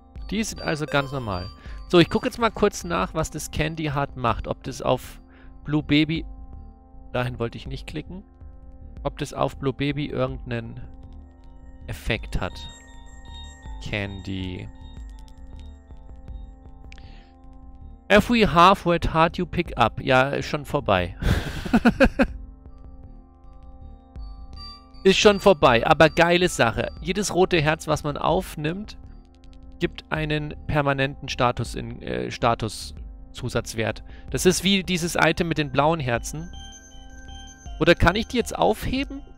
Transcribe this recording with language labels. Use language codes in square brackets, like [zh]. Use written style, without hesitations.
[de] Die sind also ganz normal. So, ich gucke jetzt mal kurz nach, was das Candy Heart macht. Ob das auf Blue Baby... Dahin wollte ich nicht klicken. Ob das auf Blue Baby irgendeinen Effekt hat. Candy. [en] Every half red heart you pick up. [de] Ja, ist schon vorbei. Ist schon vorbei, aber geile Sache. Jedes rote Herz, was man aufnimmt, gibt einen permanenten Status in Statuszusatzwert. Das ist wie dieses Item mit den blauen Herzen. Oder kann ich die jetzt aufheben?